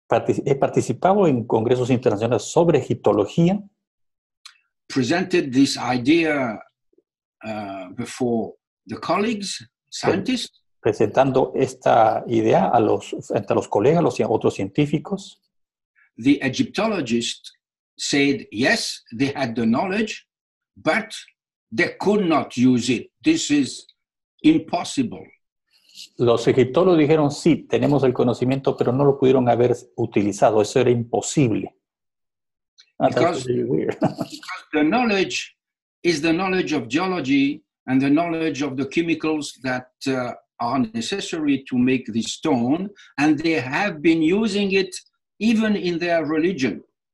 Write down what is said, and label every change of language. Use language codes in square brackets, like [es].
[es] He participado en congresos internacionales sobre egiptología. [en] Presented this idea before the colleagues, scientists. [es] Presentando esta idea ante los colegas, los otros científicos. [en] The Egyptologists said yes, they had the knowledge, but they could not use it. This is impossible. [es] Los egiptólogos dijeron sí, tenemos el conocimiento, pero no lo pudieron haber utilizado. Eso era imposible. [en] Because the knowledge is the knowledge of geology and the knowledge of the chemicals that are necessary to make this stone, and they have been using it even in their religion.